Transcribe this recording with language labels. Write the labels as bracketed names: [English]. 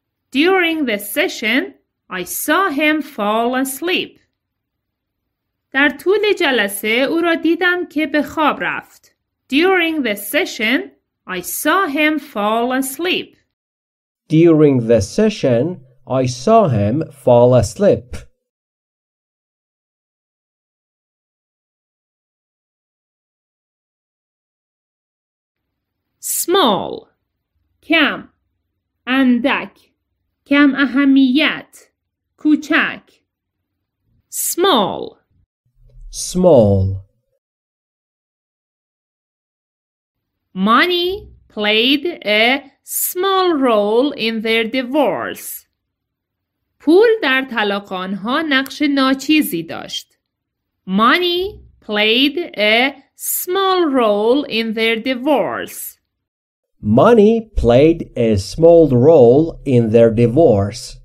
[English] During the session, I saw him fall asleep. [Persian] در طول جلسه او را دیدم که به خواب رفت. [English] During the session, I saw him fall asleep. During the session, I saw him fall asleep. [Persian] Small. کم. اندک. کم اهمیت. کوچک. Small. [English] Small. Money played a small role in their divorce. [Persian] پول در طلاق آنها نقش ناچیزی داشت. [English] Money played a small role in their divorce. Money played a small role in their divorce.